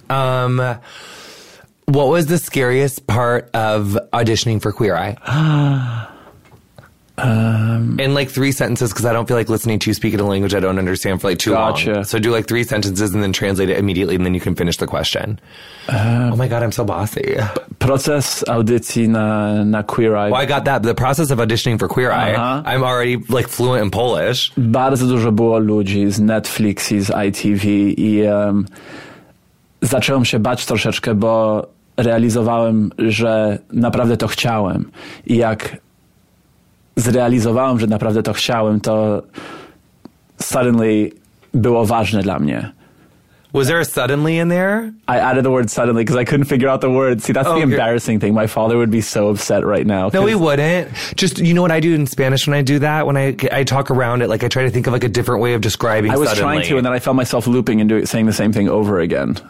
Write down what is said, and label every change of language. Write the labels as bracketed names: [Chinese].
[English] What was the scariest part of auditioning for Queer Eye? In like three sentences, because I don't feel like listening to you speak in a language I don't understand for like too long. So do like three sentences and then translate it immediately, and then you can finish the question. Oh my God, I'm so bossy. [Polish] Process audycji na Queer Eye. [English] Well, I got that. The process of auditioning for Queer Eye. Uh-huh. I'm already like fluent in Polish. [Polish] Bardzo dużo było ludzi z Netflix, z ITV i... zacząłem się bać troszeczkę, bo realizowałem, że naprawdę to chciałem. I jak zrealizowałem, że naprawdę to chciałem, to [English] suddenly [Polish] było ważne dla mnie. [English] Was there a suddenly in there? I added the word suddenly because I couldn't figure out the word. See, that's the embarrassing thing. My father would be so upset right now. No, he wouldn't. Just, you know what I do in Spanish when I do that? When I talk around it, like I try to think of like a different way of describing suddenly. I was suddenly. Trying to, and then I felt myself looping and saying the same thing over again.